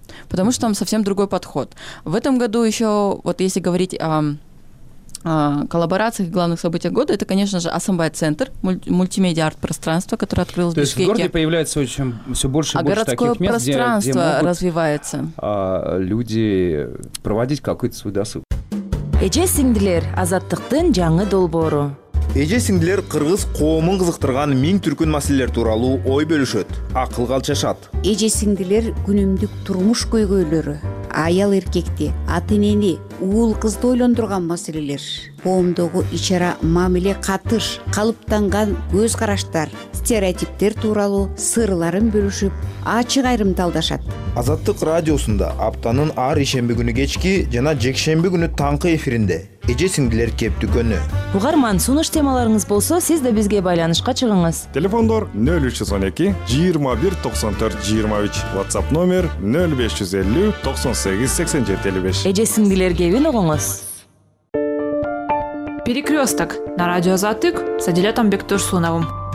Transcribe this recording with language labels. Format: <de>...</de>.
<ru>Потому что там совсем другой подход. В этом году еще, вот если говорить о коллаборациях и главных событиях года, это, конечно же, Асамбай-центр, мультимедиа-арт-пространство, которое открылось в Бишкеке. То есть в городе появляется все больше и больше таких мест, городское пространство развивается. Люди проводить какой-то свой досуг.</ru> <ky>Эже сиңдилер азаттыктын жаңы долбоору. Эже сиңдилер кыргыз коомун кызыктырган миң түркүн маселелер тууралуу ой бөлүшөт, акыл калчашат. Эже сиңдилер күнүмдүк турмуш көйгөйлөрү, аял эркекти, ата-энени, уул кызды ойлондурган маселелер, коомдогу ич ара мамиле катыш, калыптанган көз караштар, стереотиптер тууралуу сырларын бөлүшүп, ачык айрымталдашат. Азаттык радиосунда аптанын ар ишемби күнү кечки жана жекшемби күнү таңкы эфиринде Эже сиңдилер кептүгөнү. Угарман, сунуш темаларыңыз болсо, сиз да бизге байланышка чыгыңыз. Телефондор 0312 21 94 23, WhatsApp номер 0550 98 87 55. Эже сиңдилерге үн угуңуз.</ky> <ru>Перекрёсток на радио Азаттык с Адилетом Бектурсуновым.</ru>